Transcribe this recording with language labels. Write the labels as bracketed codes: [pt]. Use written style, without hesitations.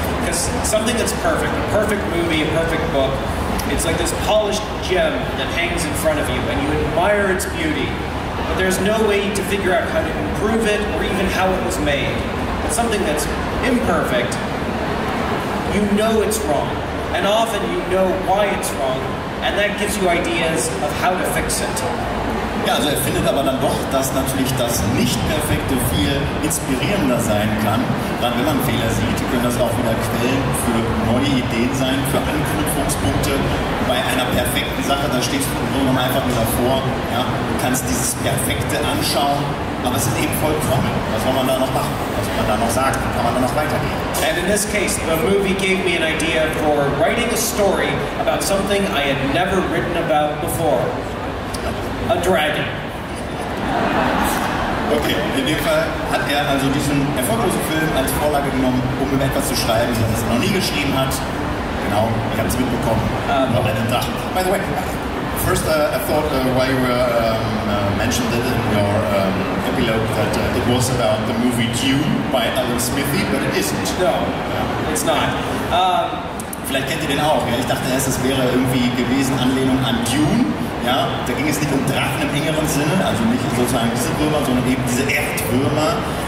[en] Because something that's perfect, a perfect movie, a perfect book, it's like this polished gem that hangs in front of you, and you admire its beauty, but there's no way to figure out how to improve it or even how it was made. But something that's imperfect, you know it's wrong, and often you know why it's wrong, and that gives you ideas of how to fix it. [de] Ja, also er findet aber dann doch, dass natürlich das Nicht-Perfekte viel inspirierender sein kann. Gerade wenn man Fehler sieht, können das auch wieder Quellen für neue Ideen sein, für Anknüpfungspunkte. Bei einer perfekten Sache, da stehst du im Grunde einfach nur davor, ja, du kannst dieses Perfekte anschauen, aber es ist eben vollkommen. Was soll man da noch machen? Was soll man da noch sagen? Kann man da noch weitergehen? [en] And in this case, the movie gave me an idea for writing a story about something I had never written about before. A dragon. [de] Okay, in dem Fall hat also diesen erfolglosen Film als Vorlage genommen, um etwas zu schreiben, das er noch nie geschrieben hat. Genau, ich habe es mitbekommen. [en] By the way, first I thought while you were mentioned it in your epilogue that it was about the movie Dune by Alan Smithy, but it isn't. No, it's not. [de] Vielleicht kennt ihr den auch. Ja? Ich dachte erst, es wäre irgendwie gewesen Anlehnung an Dune. Ja, da ging es nicht um Drachen im engeren Sinne, also nicht sozusagen diese Würmer, sondern eben diese Erdwürmer.